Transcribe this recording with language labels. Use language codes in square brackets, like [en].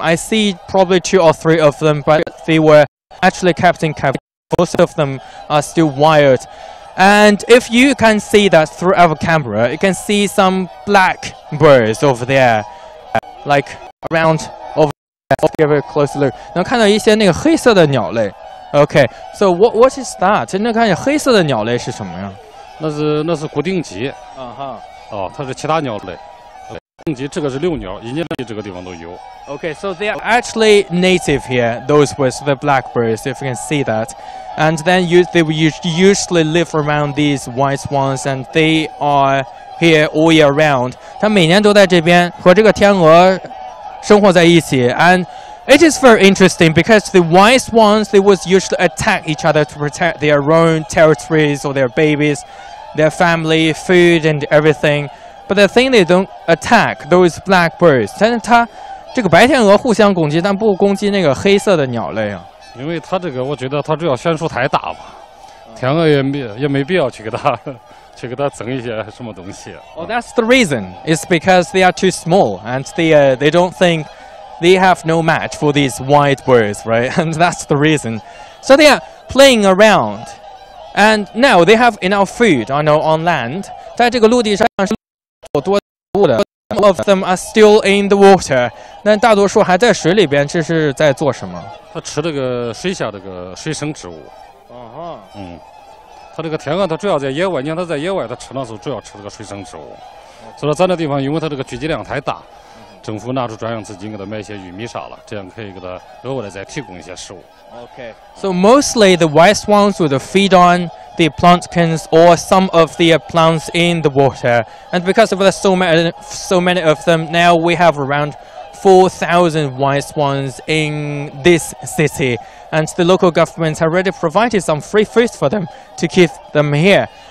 [en] I see probably 2 or 3 of them, but they were actually kept in captivity. Most of them are still wild. And if you can see that through our camera, you can see some black birds over there, like around. Let's give it a closer look. [zh] 能看到一些那个黑色的鸟类。 [en] Okay, so what is that? [zh] 真的看见黑色的鸟类是什么呀？那是固定脊。它是其他鸟类。固定脊，这个是遛鸟，一年四季这个地方都有。 [en] Okay, so they are actually native here. Those with the blackbirds, if you can see that, and then they usually live around these white swans, and they are here all year round. [zh] 它每年都在这边和这个天鹅。生活在一起 [en] and it is very interesting because the white swans they would usually attack each other to protect their own territories or their babies, their family, food and everything. But the thing they don't attack those black birds. [zh] 但是它这个白天鹅互相攻击，但不攻击那个黑色的鸟类啊。因为它这个，我觉得它主要悬殊太大嘛，天鹅也没必要去给它整一些什么东西。 [en] Well, that's the reason. It's because they are too small, and they don't think they have no match for these white birds, right? And that's the reason. So they are playing around, and now they have enough food. I know on land, [zh] 在这个陆地上是有多食物的。 [en] Some of them are still in the water. [zh] 但大多数还在水里边，这是在做什么？它吃这个水下这个水生植物。它这个天鹅，它主要在野外。你看它在野外，它吃的时候主要吃这个水生植物。所以说，咱这地方因为它这个聚集量太大，政府拿出专项资金给它买一些玉米啥了，这样可以给它额外的再提供一些食物。 [en] Okay. So mostly the white swans would feed on the plantkins or some of the plants in the water. And because of the so many of them, now we have around 4,000 white swans in this city. And the local government has already provided some free food for them to keep them here.